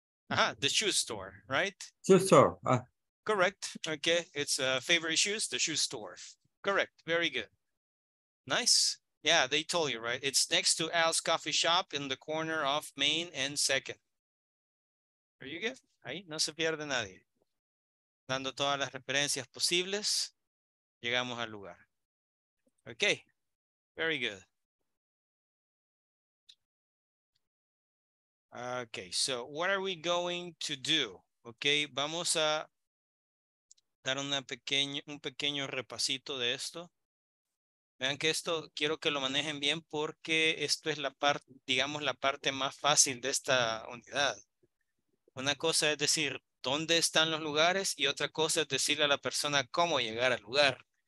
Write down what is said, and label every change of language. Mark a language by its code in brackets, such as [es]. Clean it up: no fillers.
[en] Uh-huh. The shoe store, right? Shoe store. Correct. Okay. It's favorite shoes, the shoe store. Correct. Very good. Nice. Yeah, they told you, right? It's next to Al's coffee shop in the corner of Main and 2nd. Are you good? [es] Ahí no se pierde nadie. Dando todas las referencias posibles, llegamos al lugar. [en] Okay, very good. Okay, so what are we going to do? [es] Okay, vamos a dar un pequeño repasito de esto. Vean que esto, quiero que lo manejen bien porque esto es la parte más fácil de esta unidad. Una cosa es decir dónde están los lugares y otra cosa es decirle a la persona cómo llegar al lugar.